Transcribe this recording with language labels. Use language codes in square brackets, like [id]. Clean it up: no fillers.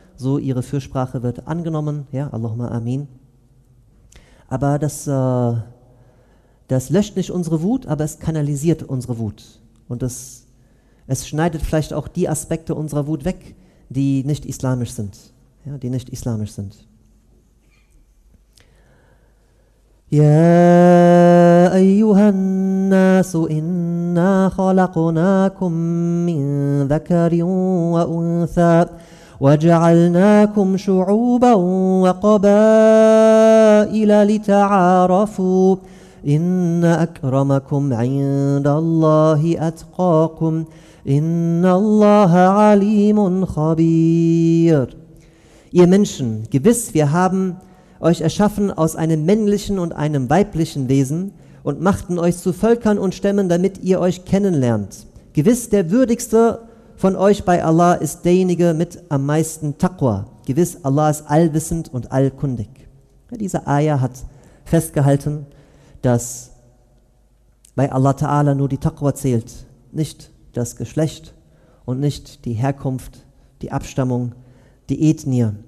[de] So ihre Fürsprache wird angenommen. Ja, Allahumma Amin. Aber das löscht nicht unsere Wut, aber es kanalisiert unsere Wut. Und es schneidet vielleicht auch die Aspekte unserer Wut weg, die nicht islamisch sind. Ja, die nicht islamisch sind. [ar] Ja, أيها الناس إنا خلقناكم من ذكر وأنثى وجعلناكم شعوبا وقبائل لتعارفوا إن أكرمكم عند الله أتقاكم إن الله عليم خبير. [de] Ihr Menschen, gewiss, wir haben euch erschaffen aus einem männlichen und einem weiblichen Wesen und machten euch zu Völkern und Stämmen, damit ihr euch kennenlernt. Gewiss, der Würdigste von euch bei Allah ist derjenige mit am meisten Taqwa. Gewiss, Allah ist allwissend und allkundig. Ja, diese Ayah hat festgehalten, dass bei Allah Ta'ala nur die Taqwa zählt, nicht das Geschlecht und nicht die Herkunft, die Abstammung, die Ethnie.